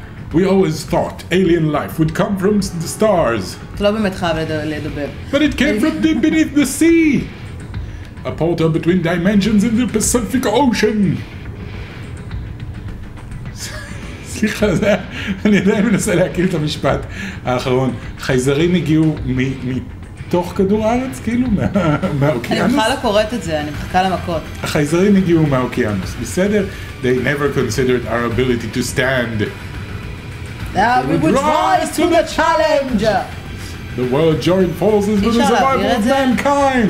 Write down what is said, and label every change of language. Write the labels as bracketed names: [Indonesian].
[English] We always thought alien life would come from the stars. [Hebrew] אתה לא באמת חייב לדבר. [English] But it came from deep beneath the sea. A portal between dimensions in the Pacific Ocean. [Hebrew] סליחה, זה... אני עדיין מנסה להכיר את המשפט האחרון. חייזרים הגיעו מתוך כדור הארץ, כאילו, מהאוקיינוס? אני בכלל לא קוראת את זה, אני מחכה למכות. החייזרים הגיעו מהאוקיינוס, בסדר? [English] They never considered our ability to stand. We would rise to the challenge! The world joined forces with the survival of mankind!